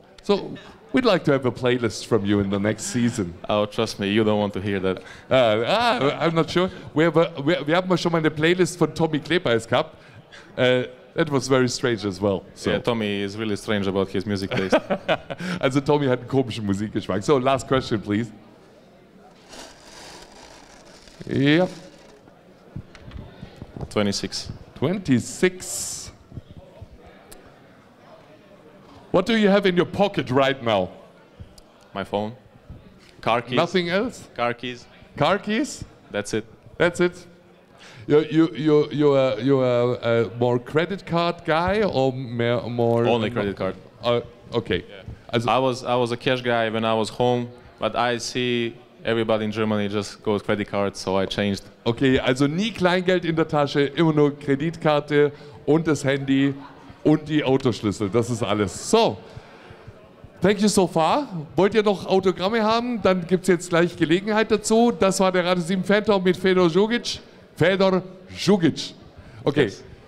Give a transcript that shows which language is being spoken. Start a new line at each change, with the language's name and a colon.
English: So we'd like to have a playlist from you in the next season. Oh, trust me, you don't want to hear that. I'm not sure. We have
German: mal schon mal eine Playlist von Tommy Klebeis gehabt.
English: That was very strange as well. So. Yeah, Tommy is really strange about his music taste.
German: Also Tommy hat einen komischen Musikgeschmack.
English: So last question, please. Yep. 26. 26. What do you have in your pocket right now? My phone. Car keys. Nothing else? Car keys. Car keys? That's it. That's it. You're a more credit card guy or more... Only credit card. Okay. Yeah. As I was a cash guy when I was home, but I see... Everybody in Germany just goes credit card, so I changed.
German: Okay, also nie Kleingeld in der Tasche, immer nur Kreditkarte und das Handy und die Autoschlüssel. Das ist alles.
English: So, thank you so far.
German: Wollt ihr noch Autogramme haben? Dann gibt es jetzt gleich Gelegenheit dazu. Das war der Radio 7 Fantalk mit Fedor Zugic. Fedor Zugic. Okay, yes.